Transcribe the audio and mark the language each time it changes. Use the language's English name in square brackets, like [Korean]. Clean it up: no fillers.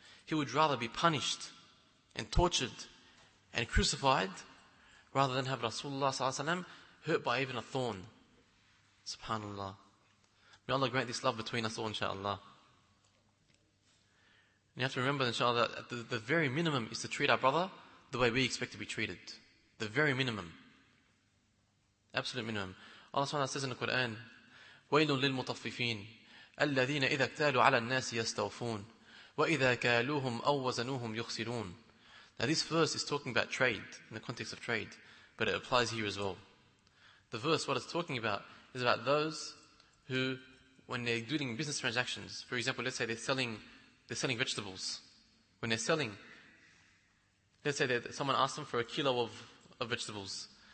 [English] He would rather be punished and tortured and crucified rather than have Rasulullah sallallahu alayhi wa sallam hurt by even a thorn." SubhanAllah. May Allah grant this love between us all, inshaAllah. You have to remember, inshallah, that the very minimum is to treat our brother the way we expect to be treated. The very minimum. Absolute minimum. Allah SWT says in the Quran, [Arabic] وَيْلٌ لِلْمُطَفِّفِينَ الَّذِينَ إِذَا اكْتَالُوا عَلَى النَّاسِ يَسْتَوْفُونَ وَإِذَا كَالُوهُمْ أَوْ وَزَنُوهُمْ يُخْسِرُونَ. [English] Now this verse is talking about trade, in the context of trade, but it applies here as well. The verse, what it's talking about, is about those who, when they're doing business transactions, for example, let's say they're selling vegetables. When they're selling, let's say that someone asks them for a kilo of vegetables.